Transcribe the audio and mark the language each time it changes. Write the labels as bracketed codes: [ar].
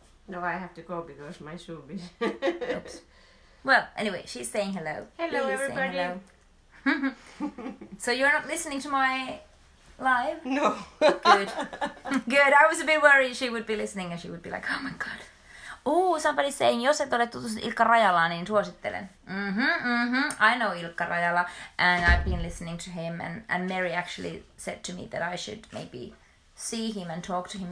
[en] No, I have to go because my soup is... Oops. Well, anyway, she's saying hello. Hello, everybody. So you're not listening to my live? No. Good. Good. I was a bit worried she would be listening and she would be like, oh my god. Ooh, somebody saying, [fi] jos et ole tutustunut Ilkka Rajalaan, niin suosittelen. [en] I know Ilkka Rajala and I've been listening to him and Mary actually said to me that I should maybe see him and talk to him.